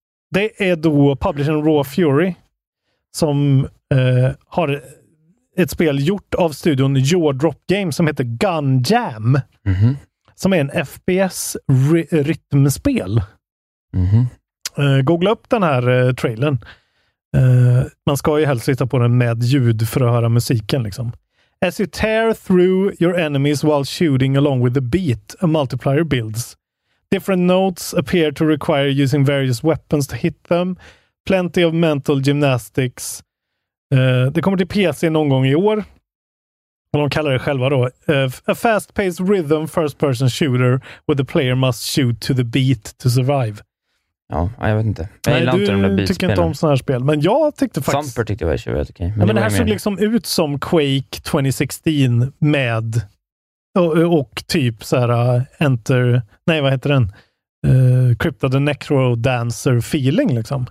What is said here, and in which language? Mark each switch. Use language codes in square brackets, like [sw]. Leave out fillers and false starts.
[sv] Det är då publishern Raw Fury som har ett spel gjort av studion Your Drop Game som heter Gun Jam. Mm-hmm. Som är en FPS-rytmspel. Googla upp den här trailern. Man ska ju helst sitta på den med ljud för att höra musiken liksom. [en] As you tear through your enemies while shooting along with the beat, a multiplier builds. Different notes appear to require using various weapons to hit them. Plenty of mental gymnastics. [sv] Det kommer till PC någon gång i år. Och de kallar det själva då. [en] A fast-paced rhythm first-person shooter where the player must shoot to the beat to survive. [sv] Ja, jag vet inte. Jag gillar inte de där beat-spelen. Du tycker inte om sådana här spel. Men jag tyckte faktiskt... Thumper tyckte jag var kul. [en] Okay. [sv] Men det här såg liksom ut som Quake 2016 med... Och typ så här Enter... Nej, vad heter den? Crypt of the Necrodancer-feeling liksom.